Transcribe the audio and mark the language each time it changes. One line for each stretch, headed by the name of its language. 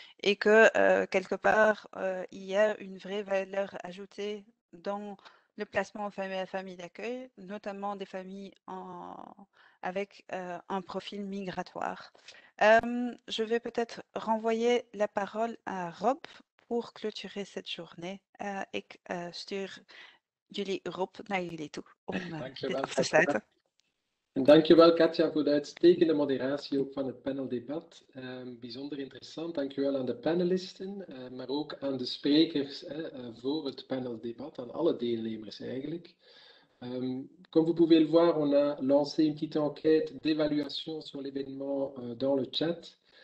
French: Et que, quelque part, il y a une vraie valeur ajoutée dans le placement en famille d'accueil, notamment des familles avec un profil migratoire. Je vais peut-être renvoyer la parole à Rob pour clôturer cette journée.
Dutch: Ik stuur jullie, Rob, naar jullie toe om dit af te sluiten. Dankjewel Katja voor de uitstekende moderatie ook van het paneldebat. Bijzonder interessant. Dankjewel aan de panelisten, maar ook aan de sprekers voor het paneldebat, aan alle deelnemers eigenlijk.
French: Comme vous pouvez le voir, on a lancé une petite enquête d'évaluation sur l'événement dans le chat.